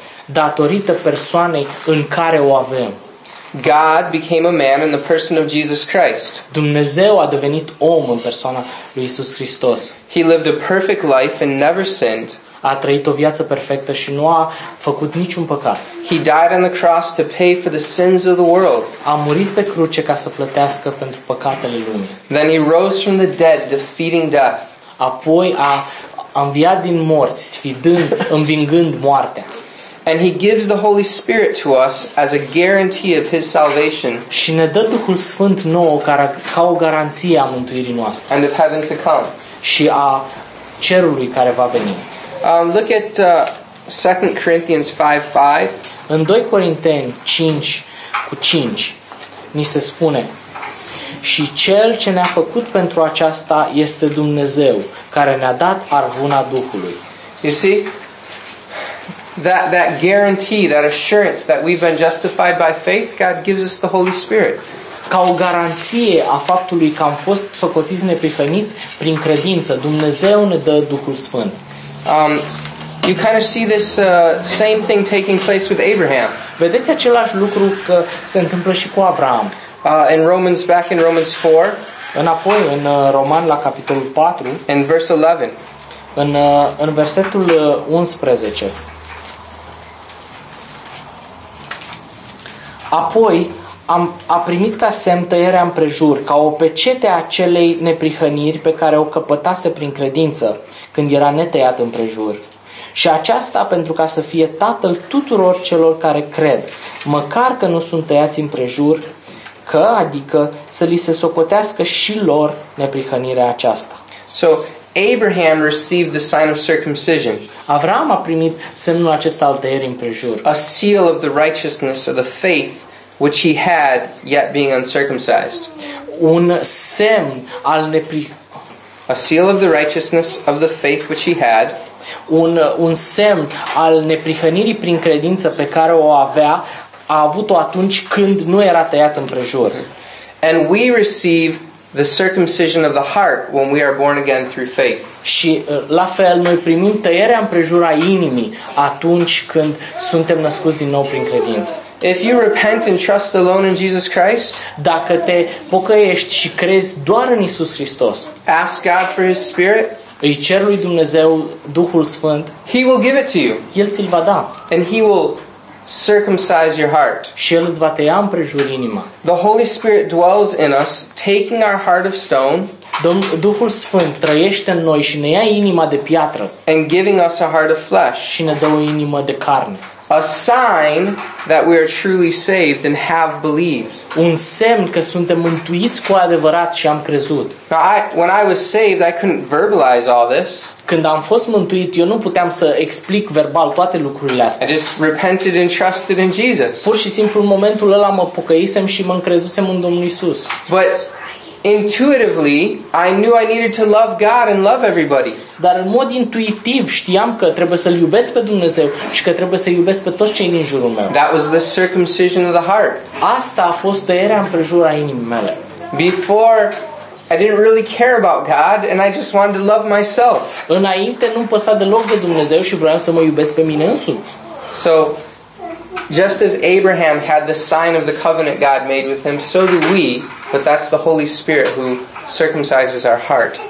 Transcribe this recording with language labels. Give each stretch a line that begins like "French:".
Romanian: Datorită persoanei în care o avem.
English: God became a man in the person of Jesus Christ.
Romanian: Dumnezeu a devenit om în persoana lui Isus Hristos.
English: He lived a perfect life and never sinned.
Romanian: A trăit o viață perfectă și nu a făcut niciun păcat.
English: He died on the cross to pay for the sins of the world.
Romanian: A murit pe cruce ca să plătească pentru păcatele lumii.
English: Then he rose from the dead, defeating death.
Romanian: Apoi a înviat din morți, sfidând, învingând moartea.
English: And he gives the Holy Spirit to us as a guarantee of his salvation.
Romanian: Și ne dă Duhul Sfânt nouă ca o garanție a mântuirii noastre.
English: And of heaven to come.
Romanian: Și a cerului care va veni.
English: Look at 2 Corinthians 5:5.
Romanian: În 2 Corinteni 5:5 ni se spune: Și cel ce ne-a făcut pentru aceasta este Dumnezeu, care ne-a dat arhuna Duhului.
English: You see? That guarantee, that assurance that we've been justified by faith, God gives us the Holy Spirit.
Romanian: Ca o garanție a faptului că am fost socotiți neprihăniți prin credință, Dumnezeu ne dă Duhul Sfânt.
English: You kind of see this same thing taking place with Abraham.
Romanian: Vedeți același lucru că se întâmplă și cu Avram.
English: In Romans 4,
Romanian: înapoi în Roman la capitolul 4,
English: in verse 11.
Romanian: În versetul 11. Apoi a primit ca semn tăierea împrejur, ca o pecete a acelei neprihăniri pe care o căpătase prin credință când era netăiat împrejur. Și aceasta pentru ca să fie tatăl tuturor celor care cred, măcar că nu sunt tăiați împrejur, că adică să li se socotească și lor neprihănirea aceasta.
English: So, Abraham received the sign of circumcision.
Romanian: Avram a primit semnul acesta al tăierii împrejur.
English: A seal of the righteousness of the faith which he had yet being uncircumcised.
Romanian: Un semn al
English: A seal of the righteousness of the faith which he had.
Romanian: Un semn al neprihănirii prin credință pe care o avea, a avut-o atunci când nu era tăiat împrejur.
English: And we receive the circumcision of the heart when we are born again through faith.
Romanian: Și la fel noi primim tăierea împrejur a inimii atunci când suntem născuți din nou prin credință.
English: If you repent and trust alone in Jesus Christ,
Romanian: dacă te pocăiești și crezi doar în Isus Hristos,
English: ask God for His Spirit,
Romanian: îi cer lui Dumnezeu Duhul Sfânt,
English: He will give it to you.
Romanian: El ți-l va da.
English: And He will circumcise your heart.
Romanian: Și El îți va tăia împrejur inima.
English: The Holy Spirit dwells in us, taking our heart of stone,
Romanian: Duhul Sfânt trăiește în noi și ne ia inima de piatră,
English: and giving us a heart of flesh,
Romanian: și ne dă o inimă de carne.
English: A sign that we are truly saved and have believed.
Romanian: Un semn că suntem mântuiți cu adevărat și am crezut.
English: Now, when I was saved, I couldn't verbalize all this.
Romanian: Când am fost mântuit, eu nu puteam să explic verbal toate lucrurile astea.
English: I just repented and trusted in Jesus.
Romanian: Pur și simplu, în momentul ăla mă pocăisem și mă încrezusem în Domnul Iisus.
English: But intuitively, I knew I needed to love God and love everybody.
Romanian: Dar în mod intuitiv știam că trebuie să-L iubesc pe Dumnezeu și că trebuie să-L iubesc pe toți cei din jurul meu.
English: That was the circumcision of the heart.
Romanian: Asta a fost tăierea împrejur a inimii mele.
English: Before, I didn't really care about God and I just wanted to love myself.
Romanian: Înainte nu-mi păsa deloc de Dumnezeu și vroiam să mă iubesc pe mine însumi.
English: So, Just as Abraham had the sign of the covenant God made with him, so do we, but that's the Holy Spirit who circumcises our heart.